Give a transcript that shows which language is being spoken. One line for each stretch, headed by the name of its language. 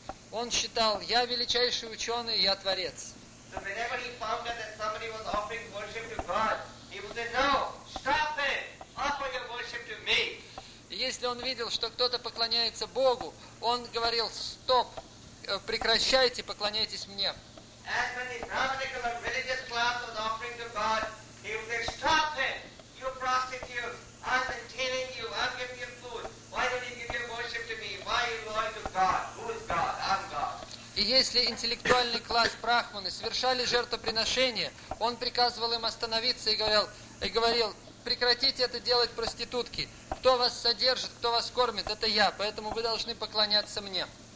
Russian: Он считал, я величайший ученый, я творец.
English: So whenever he found out that somebody was offering worship to God, he would say, no, stop it, offer your worship to me.
Russian: Если он видел, что кто-то поклоняется Богу, он говорил, стоп, прекращайте, поклоняйтесь мне.
English: As when the Brahminical or religious class was offering to God, he would say, stop it, you prostitute, I'm entertaining you, I'm giving you food. Why don't you give your worship to me? Why are you loyal to God? Who is God? I'm God.
Russian: И если интеллектуальный класс брахманы совершали жертвоприношение, он приказывал им остановиться и говорил, прекратите это делать, проститутки. Кто вас содержит, кто вас кормит, это я, поэтому вы должны поклоняться мне.